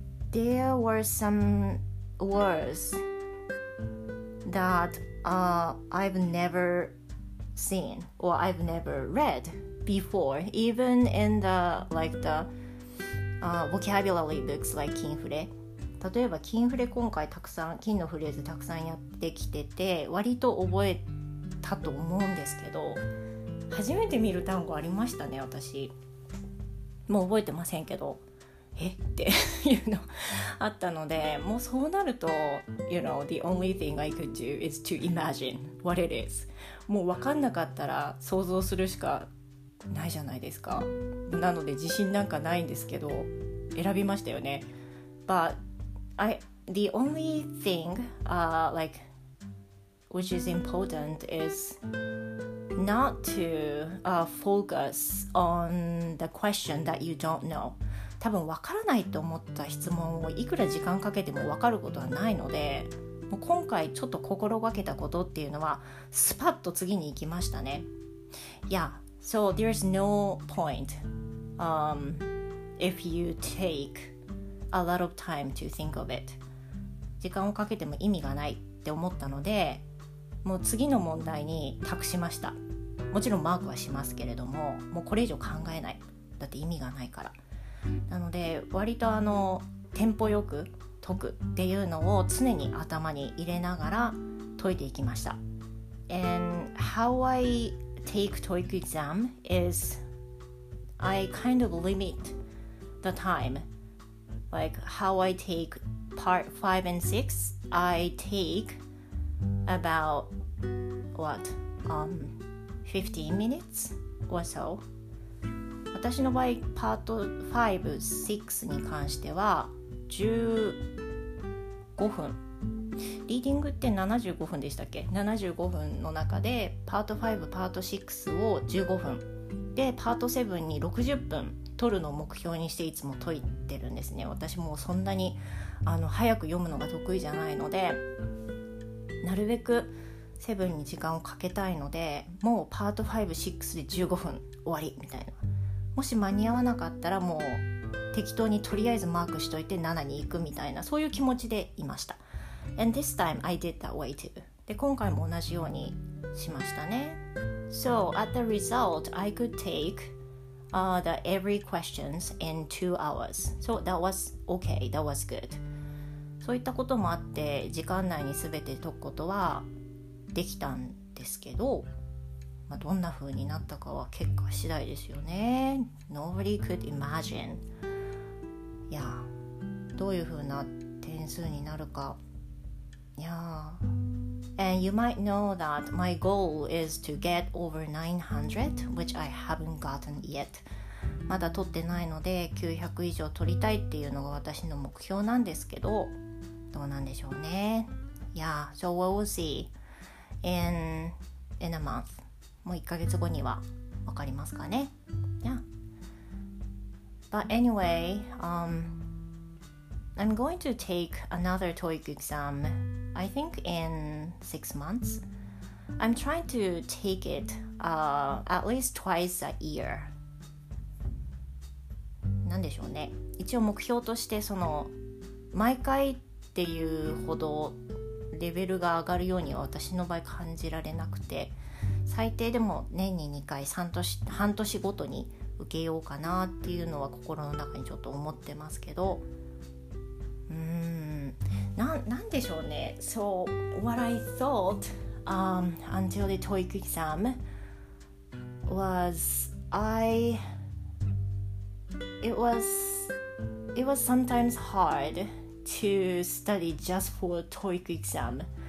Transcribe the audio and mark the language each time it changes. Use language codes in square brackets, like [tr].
[en] There were some words that I've never seen or I've never read before, even in the vocabulary books like 金フレ。 [ja] 例えば金フレ今回たくさん金のフレーズたくさんやってきてて割と覚えたと思うんですけど、初めて見る単語ありましたね、私もう覚えてませんけど、えっていうのあったので、もうそうなると [en] You know, the only thing I could do is to imagine what it is。 [ja] もう分かんなかったら想像するしかないじゃないですか。なので自信なんかないんですけど選びましたよね。 [en] But the only thing like which is important is not to focus on the question that you don't know。 [ja] 多分分からないと思った質問をいくら時間かけても分かることはないので、もう今回ちょっと心がけたことっていうのはスパッと次に行きましたね。 [en] Yeah, so there's no point if you take a lot of time to think of it。 [ja] 時間をかけても意味がないって思ったので、もう次の問題に託しました。もちろんマークはしますけれども、もうこれ以上考えない、だって意味がないから。なので割とテンポよく解くっていうのを常に頭に入れながら解いていきました。 [en] And how I take TOEIC exam is I kind of limit the time. Like how I take part 5 and 6, I take about what 15 minutes or so。 [ja] 私の場合パート5、6に関しては15分、リーディングって75分でしたっけ、75分の中でパート5、パート6を15分で、パート7に60分取るのを目標にしていつも解いてるんですね。私もそんなに早く読むのが得意じゃないので、なるべく7に時間をかけたいので、もうパート5、6で15分終わりみたいな。もし間に合わなかったらもう適当にとりあえずマークしといて7に行くみたいな、そういう気持ちでいました。 [en] And this time I did that way too。 [ja] で今回も同じようにしましたね。 [en] So at the result I could take the every questions in 2 hours。 So that was okay, that was good。 [ja] そういったこともあって時間内に全て解くことはできたんですけど、まあ、どんな風になったかは結果次第ですよね。 [en] Nobody could imagine。 [ja] いや、どういう風な点数になるか。 [en] Yeah. And you might know that my goal is to get over 900, which I haven't gotten yet。 [ja] まだ取ってないので900以上取りたいっていうのが私の目標なんですけど、どうなんでしょうね。 [en] Yeah, so we'll see in a month。 [ja] もう1ヶ月後には分かりますかね。 [en] Yeah. But anyway, I'm going to take another TOEIC exam, I think in 6 months. I'm trying to take it at least twice a year. [ja] なんでしょうね。一応目標としてその毎回っていうほどレベルが上がるようには私の場合感じられなくて、最低でも年に2回、半年ごとに受けようかなっていうのは心の中にちょっと思ってますけど、なんでしょうね。 [en] So what I thought until the TOEIC exam was it was sometimes hard to study just for TOEIC exam,